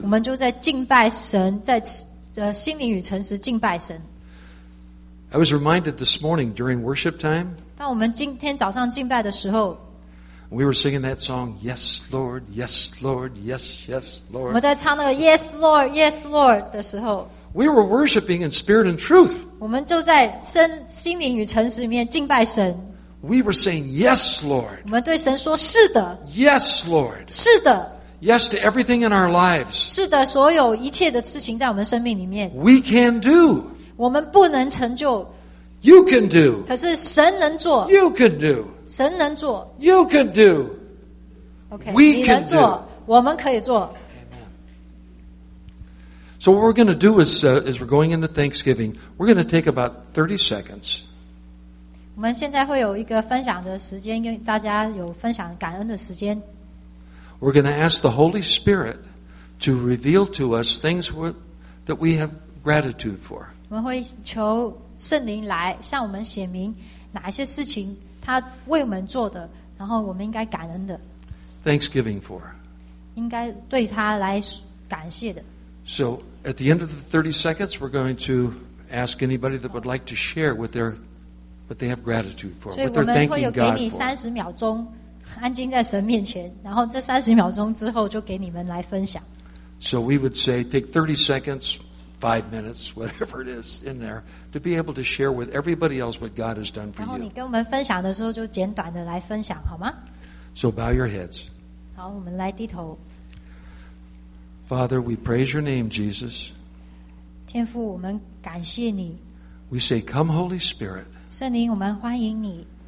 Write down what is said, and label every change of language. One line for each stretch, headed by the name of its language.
Chinese: 我们就在敬拜神，在心灵与诚实敬拜神。
English: I was reminded this morning during worship time.
Chinese: 当我们今天早上敬拜的时候
English: We were singing that song, Yes, Lord, Yes, Lord, Yes, Yes, Lord.
Chinese: 我们在唱那个
English: Yes, Lord, Yes, Lord
Chinese: 的时候
English: We were worshiping in spirit and truth.
Chinese: 我们就在心灵与诚实里面敬拜神。
English: We were saying, Yes, Lord.
Chinese: 我们对神说是的。
English: Yes, Lord.
Chinese: 是的。
English: Yes to everything in our lives.
Chinese: 是的，所有一切的事情在我们生命里面。
English: We can do.
Chinese: 我们不能成就。
English: You can do.
Chinese: 可是神能做。
English: You can do.
Chinese: 神能做
English: You can do okay, We can do
Chinese: 我们可以做
English: Amen. So what we're going to do is we're going into Thanksgiving We're going to take about 30 seconds
Chinese: 我们现在会有一个分享的时间跟大家有分享感恩的时间
English: We're going to ask the Holy Spirit to reveal to us things that we have gratitude for
Chinese: 我们会求圣灵来向我们显明哪一些事情他为我们做的，然后我们应该感恩的。
English: Thanksgiving for，
Chinese: 应该对他来感谢的。
English: So at the end of the 30 seconds, we're going to ask anybody that would like to share what they have gratitude for, what they're thanking God for.
Chinese: 所以我们会有给你30秒钟，安静在神面前，然后这30秒钟之后就给你们来分享。
English: So we would say, take 30 seconds, 5 minutes, whatever it is in there. To be able to share with everybody else what God has done for you.
Chinese: 然后你跟我们分享的时候就简短的来分享好吗
English: So bow your heads.
Chinese: 好，我们来低头。
English: Father, we praise your name, Jesus.
Chinese: 天父，我们感谢你。
English: We say, Come, Holy Spirit.
Chinese: 圣灵，我们欢迎你。